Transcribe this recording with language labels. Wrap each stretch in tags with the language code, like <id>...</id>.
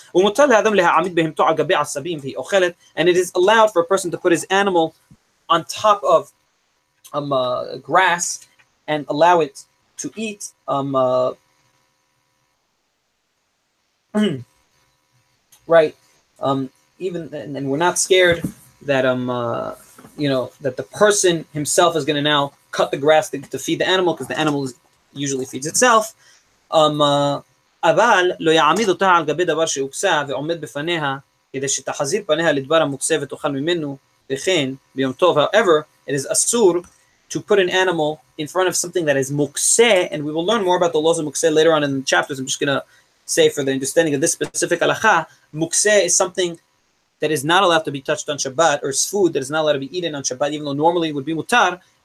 <en>And it is allowed for a person to put his animal on top of grass and allow it to eat right. And we're not scared that that the person himself is gonna now cut the grass to feed the animal, because the animal usually feeds itself.</en> <he>אבל לא יעמיד אותה על גבי דבר שהוקצה ועומד בפניה כדי שתחזיר פניה לדבר המוקצה ותאכל ממנו וכן ביום טוב.</he> <en>However, it is אסור to put an animal in front of something that is mukseh, and we will learn more about the laws of mukseh later on in the chapters. I'm just going to say, for the understanding of this specific halakha, mukseh is something that is not allowed to be touched on Shabbat, or is food that is not allowed to be eaten on Shabbat, even though normally it would be mutar.</en>